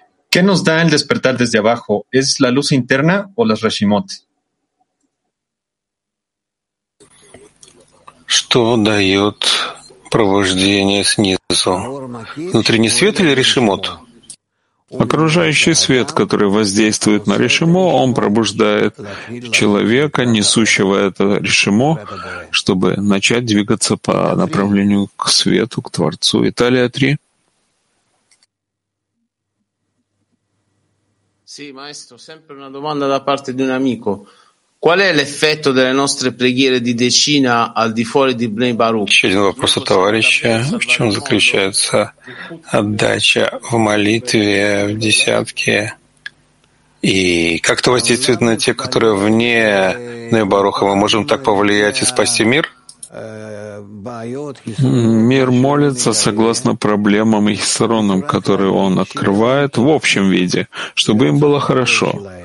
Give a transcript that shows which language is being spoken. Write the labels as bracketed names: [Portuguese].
[Spanish] ¿Qué nos da el despertar desde abajo? ¿Es la luz interna o las reshimot? [Russian] Что дает пробуждение снизу? Внутренний свет или решимот? Окружающий свет, который воздействует на решимо, он пробуждает человека, несущего это решимо, чтобы начать двигаться по направлению к свету, к Творцу. Италия 3. [Italian] Sì, maestro, sempre una domanda da parte di un amico. Qual è l'effetto delle nostre preghiere di decina al di fuori di Bnei Baruch? [Russian] Еще один вопрос от товарища. В чем заключается отдача в молитве в десятке И как это воздействует на те, которые вне Небаруха? Мы можем так повлиять и спасти мир? Мир молится согласно проблемам и хисаронам, которые он открывает в общем виде, чтобы им было хорошо.